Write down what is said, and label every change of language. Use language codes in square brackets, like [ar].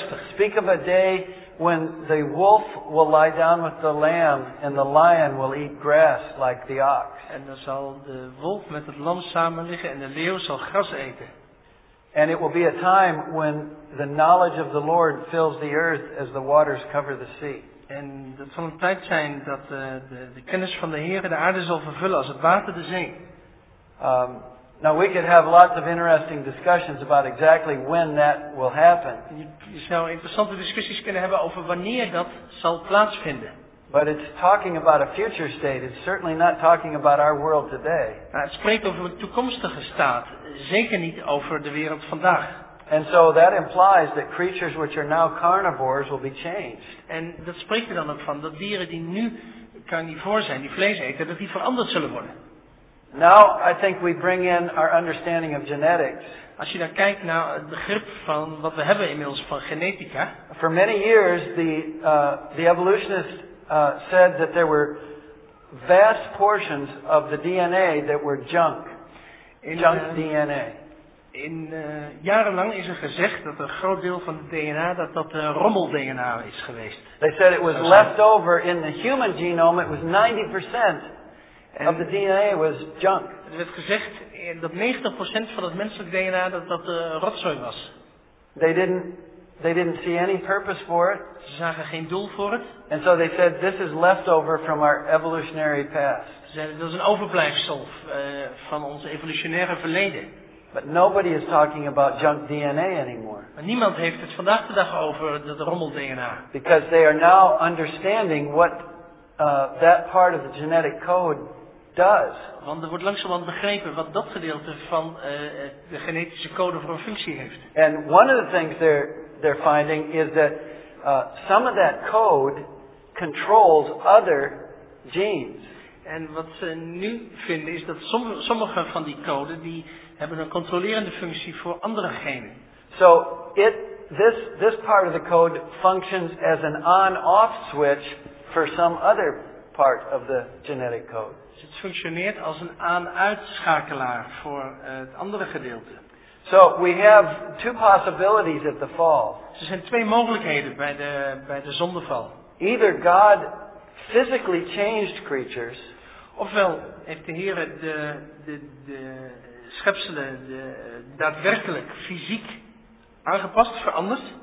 [en] Speak of a day when the wolf will lie down with the lamb and the lion will eat grass like the ox. [nl] En dan zal de wolf met het lam samen liggen en de leeuw zal gras eten. [en] And it will be a time when the knowledge of the Lord fills the earth as the waters cover the sea. [nl] En dat zal een tijd zijn dat de kennis van de Heer de aarde zal vervullen als het water de zee. [en] Now we could have lots of interesting discussions about exactly when that will happen. [nl] Je zou interessante discussies kunnen hebben over wanneer dat zal plaatsvinden. [en] But it's talking about a future state. It's certainly not talking about our world today. [nl] Nou, het spreekt over een toekomstige staat, zeker niet over de wereld vandaag. [en] And so that implies that creatures which are now carnivores will be changed. [nl] En dat spreekt er dan ook van dat dieren die nu carnivore zijn, die vlees eten, dat die veranderd zullen worden. [en] Now I think we bring in our understanding of genetics. [nl] Als je dan kijkt naar het begrip van wat we hebben inmiddels van genetica. [en] For many years the evolutionists said that there were vast portions of the DNA that were junk. [nl] DNA. Jarenlang is er gezegd dat een groot deel van het DNA dat rommel DNA is geweest. [en] They said it was left over in the human genome, it was 90%. And of the DNA was junk. [nl] Er werd gezegd dat 90% van het menselijk DNA dat rotzooi was. [en] They didn't see any purpose for it. [nl] Ze zagen geen doel voor het. [en] And so they said this is leftover from our evolutionary past. [nl] Ze zeiden dat is een overblijfsel van ons evolutionaire verleden. [en] But nobody is talking about junk DNA anymore. [nl] Maar niemand heeft het vandaag de dag over dat rommel DNA. [en] Because they are now understanding what that part of the genetic code does. [nl] Want er wordt langzamerhand begrepen wat dat gedeelte van de genetische code voor een functie heeft. [en] And one of the things they're finding is that some of that code controls other genes. [nl] En wat ze nu vinden is dat sommige van die code die hebben een controlerende functie voor andere genen. [en] So this part of the code functions as an on-off switch for some other part of the genetic code. [nl] Het functioneert als een aan-uitschakelaar voor het andere gedeelte. [en] So we have two possibilities at the fall. [nl] Er zijn twee mogelijkheden bij de zondeval. [en] Either God physically changed creatures, [nl] ofwel heeft de Heer de schepselen daadwerkelijk fysiek aangepast, veranderd.